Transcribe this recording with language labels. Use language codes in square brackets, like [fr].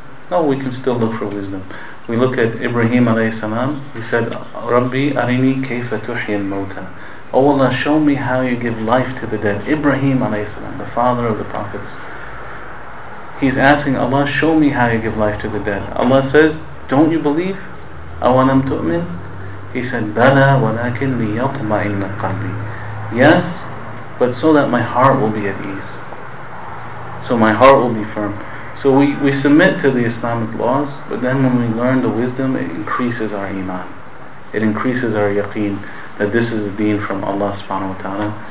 [en] No, we can still look for wisdom. We look at Ibrahim alayhi salam, he said, [ar] رَبِّي أَرِنِي كَيْفَ تُحْيِي الْمَوْتَى. [en] Oh Allah, show me how you give life to the dead. Ibrahim alayhi salam, the father of the prophets. He's asking Allah, show me how you give life to the dead. Allah says, don't you believe? [ar] أَوَلَمْ تُؤْمِنْ. [en] He said, [ar] بَلَى وَلَكِنْ لِيَطْمَئِنَّ قَلْبِي. [en] Yes, but so that my heart will be at ease. So my heart will be firm. So we submit to the Islamic laws, but then when we learn the wisdom, it increases our iman. It increases our yaqeen that this is a deen from Allah subhanahu wa ta'ala.